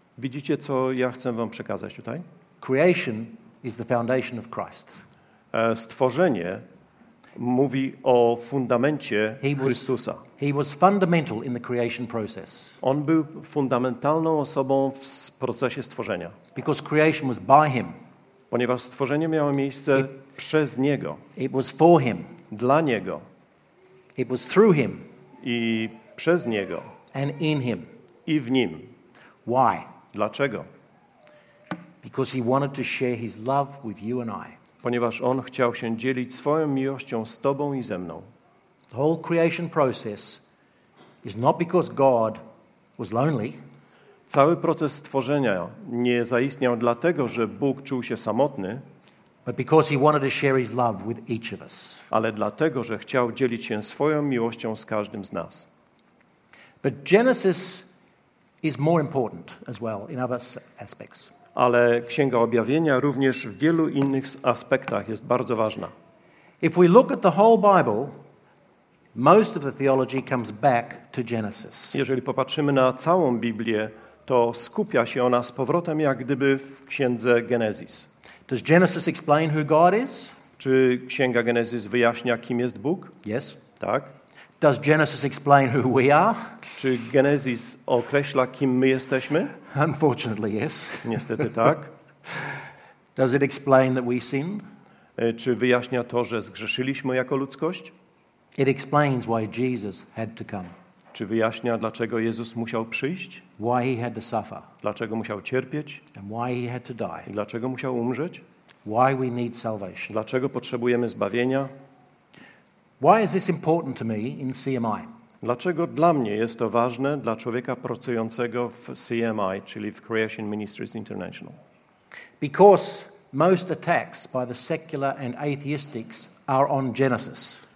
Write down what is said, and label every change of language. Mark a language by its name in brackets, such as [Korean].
[Polish] Widzicie co ja chcę wam przekazać tutaj? [English] Creation is the foundation of Christ. [Polish] Stworzenie mówi o fundamencie Chrystusa. [English] He was fundamental in the creation process. [Polish] On był fundamentalną osobą w procesie stworzenia. [English] Because creation was by him. [Polish] Ponieważ stworzenie miało miejsce przez niego. [English] It was for him. [Polish] Dla niego. [English] It was through him. [Polish] I przez niego. [English] And in him. [Polish] I w nim. [English] Why? [Polish] Dlaczego? [English] Because he wanted to share his love with you and I. [Polish] Ponieważ on chciał się dzielić swoją miłością z tobą i ze mną. [English] The whole creation process is not because God was lonely. [Polish] Cały proces stworzenia nie zaistniał dlatego, że Bóg czuł się samotny, [English] but because he wanted to share his love with each of us. [Polish] Ale dlatego, że chciał dzielić się swoją miłością z każdym z nas. [English] But Genesis is more important as well in other aspects. [Polish] Ale Księga Objawienia również w wielu innych aspektach jest bardzo ważna. [English] If we look at the whole Bible, most of the theology comes back to Genesis. [Polish] Jeżeli popatrzymy na całą Biblię, to skupia się ona z powrotem jak gdyby w Księdze Genesis. [English] Does Genesis explain who God is? [Polish] Czy Księga Genesis wyjaśnia, kim jest Bóg? [English] Yes. [Polish] Tak. [English] Does Genesis explain who we are? [Polish] Czy Genesis określa, kim my jesteśmy? [English] Unfortunately, yes. [Polish] Niestety tak. [English] Does it explain that we sinned? [Polish] Czy wyjaśnia to, że zgrzeszyliśmy jako ludzkość? [English] It explains why Jesus had to come. [Polish] Czy wyjaśnia, dlaczego Jezus musiał przyjść? [English] Why he had to suffer? [Polish] Dlaczego musiał cierpieć? [English] And why he had to die? [Polish] I dlaczego musiał umrzeć? [English] Why we need salvation? [Polish] Dlaczego potrzebujemy zbawienia? [English] Why is this important to me in CMI? [Polish] Dlaczego dla mnie jest to ważne dla człowieka pracującego w CMI, czyli w Creation Ministries International? [English] Because most attacks by the secular and atheistics are on Genesis.